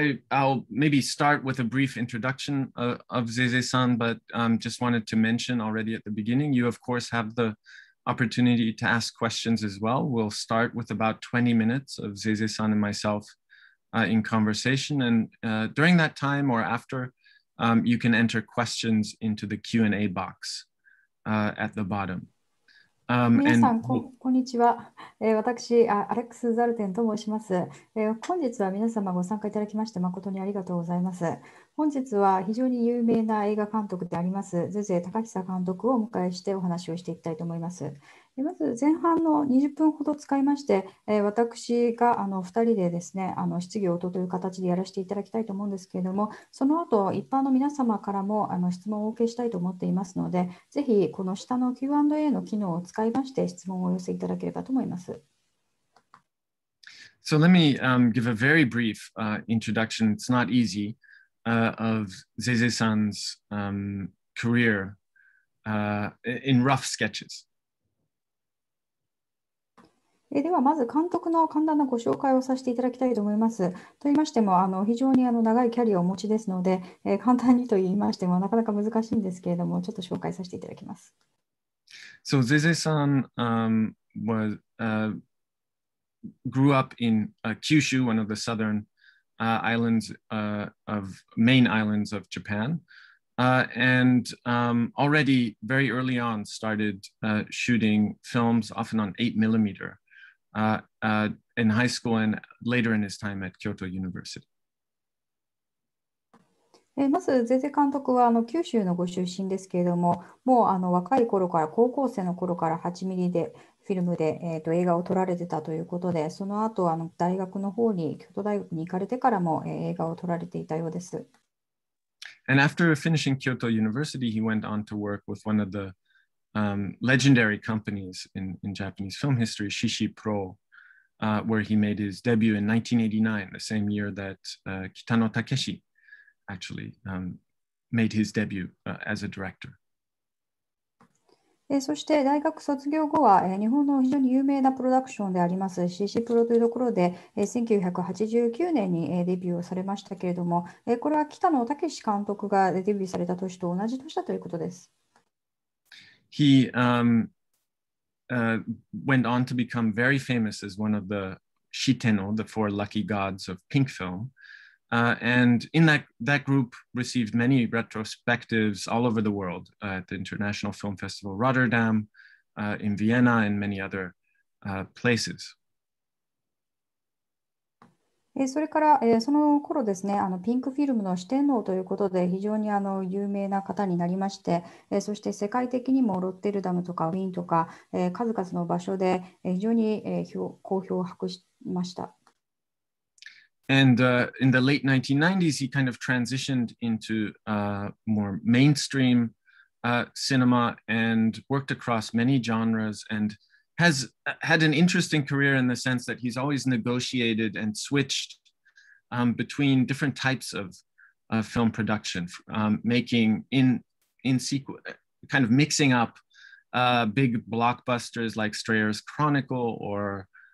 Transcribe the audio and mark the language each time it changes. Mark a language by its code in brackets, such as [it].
[en] I'll maybe start with a brief introduction of Zeze-san, but just wanted to mention already at the beginning, you of course have the opportunity to ask questions as well. We'll start with about 20 minutes of Zeze-san and myself in conversation. And during that time or after, you can enter questions into the Q&A box at the bottom. [ja] 皆さん、こんにちは。私、アレックス・ザルテンと申します。本日は皆様ご参加いただきまして誠にありがとうございます。本日は非常に有名な映画監督であります、ゼゼ・タカヒサ監督をお迎えしてお話をしていきたいと思います。まず前半の20分ほど使いまして、私が2人でですね、質疑応答という形でやらせていただきたいと思うんですけれども、その後、一般の皆様からも質問をお受けしたいと思っていますので、ぜひこの下の Q&A の機能を使いまして、質問をお寄せいただければと思います。 [en] So let me give a very brief introduction. It's not easy, of Zeze-san's career in rough sketches. [ja] ではまず監督の簡単なご紹介をさせていただきたいと思います。と言いましても非常に長いキャリアをお持ちですので、簡単にと言いましてもなかなか難しいんですけれども、ちょっと紹介させていただきます。 [en] So Zeze-san was grew up in Kyushu, one of the southern islands of main islands of Japan, and already very early on started shooting films often on 8mm. in high school and later in his time at Kyoto University. [ja] まず、ゼゼ監督は九州のご出身ですけれども、もう若い頃から、高校生の頃から8ミリでフィルムで、映画を撮られてたということで、その後大学の方に、京都大学に行かれてからも、映画を撮られていたようです。 [en] And after finishing Kyoto University, he went on to work with one of theLegendary companies in Japanese film history, Shishi Pro, where he made his debut in 1989, the same year that Kitano Takeshi actually made his debut as a director. [ja] そして大学卒業後は日本の非常に有名なプロダクションであります Shishi Pro というところで1989年にデビューをされましたけれども、これは Kitano Takeshi 監督がデビューされた年と同じ年だということです。 [en] He went on to become very famous as one of the Shiteno, the four lucky gods of pink film. And in that group received many retrospectives all over the world at the International Film Festival Rotterdam, in Vienna, and many other places. [ja] それからその頃ですね、ピンクフィルムの四天王ということで非常に有名な方になりまして、そして世界的にもロッテルダムとかウィーンとか数々の場所で非常に好評を博しました。 [en] And in the late 1990s, he kind of transitioned into more mainstream cinema and worked across many genres andhas had an interesting career in the sense that he's always negotiated and switched between different types of film production, making in sequel, kind of mixing up big blockbusters like Strayer's Chronicle or